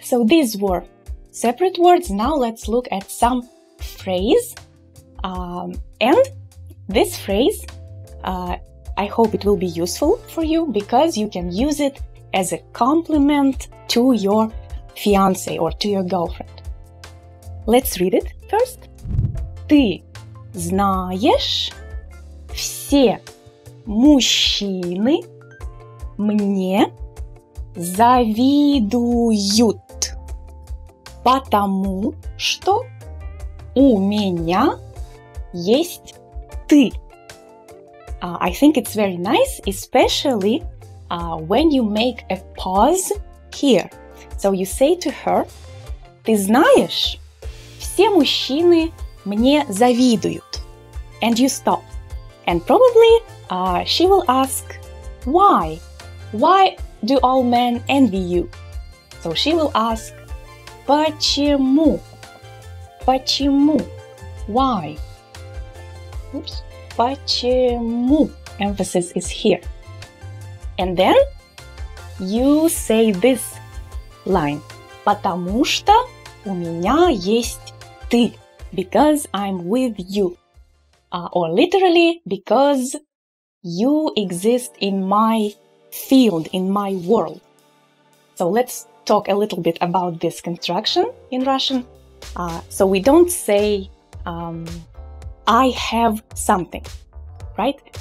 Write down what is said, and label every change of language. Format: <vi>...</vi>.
<en>So these were separate words. Now let's look at some phrase. And this phrase, I hope it will be useful for you, because you can use it as a compliment to your fiancé or to your girlfriend. Let's read it first.</en> <ru>Ты знаешь все мужчины мне завидуют, потому что у меня есть ты.</ru> <en>I think it's very nice, especially when you make a pause here. So you say to her,</en> <ru>ты знаешь, все мужчины мне завидуют.</ru> <en>And you stop. And probably she will ask, why? Why do all men envy you? So she will ask,</en> <ru>почему? Почему?</ru> <en>Why? Oops. Почему? Emphasis is here. And then you say this line.</en> <ru>Потому что у меня есть ты.</ru> <en>Because I'm with you. Or literally, because you exist in my field, in my world. So let's talk a little bit about this construction in Russian. So we don't say I have something, right?</en>